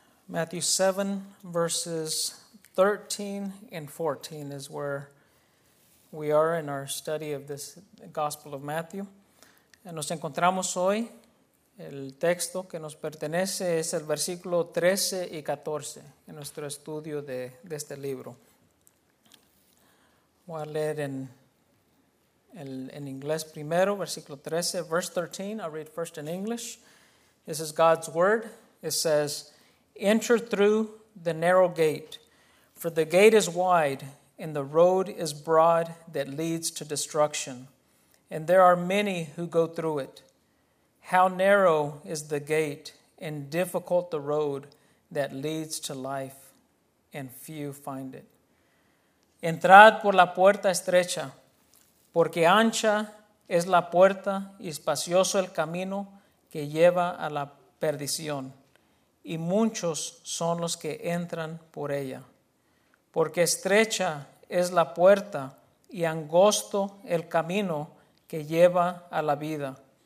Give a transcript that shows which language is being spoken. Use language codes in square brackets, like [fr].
[en] Matthew 7, verses 13 and 14 is where we are in our study of this Gospel of Matthew. [es] Nos encontramos hoy, el texto que nos pertenece es el versículo 13 y 14 en nuestro estudio de este libro. Voy a leer en inglés primero, versículo 13, [en] verse 13. I'll read first in English. This is God's Word. It says, "Enter through the narrow gate, for the gate is wide, and the road is broad that leads to destruction, and there are many who go through it. How narrow is the gate, and difficult the road that leads to life, and few find it. [es] Entrad por la puerta estrecha, porque ancha es la puerta, y espacioso el camino que lleva a la perdición. Y muchos son los que entran por ella. Porque estrecha es la puerta y angosto el camino que lleva a la vida.